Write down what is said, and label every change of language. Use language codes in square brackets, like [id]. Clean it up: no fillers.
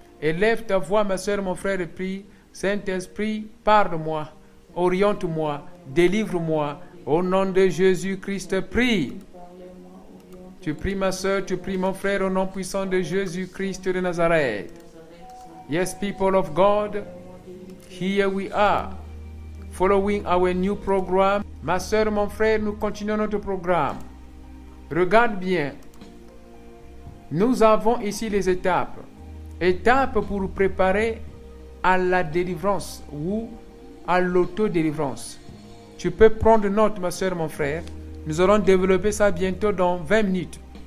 [fr] Élève ta voix, ma sœur, mon frère, et prie. Saint-Esprit, parle-moi, oriente-moi, délivre-moi. Au nom de Jésus-Christ, prie. Tu pries, ma sœur, tu pries, mon frère, au nom puissant de Jésus-Christ de Nazareth. [en] Yes, people of God, here we are, following our new program. [fr] Ma sœur, mon frère, nous continuons notre programme. Regarde bien. Nous avons ici les étapes. Étape pour préparer à la délivrance ou à l'auto-délivrance. Tu peux prendre note, ma sœur, mon frère. Nous allons développer ça bientôt dans 20 minutes.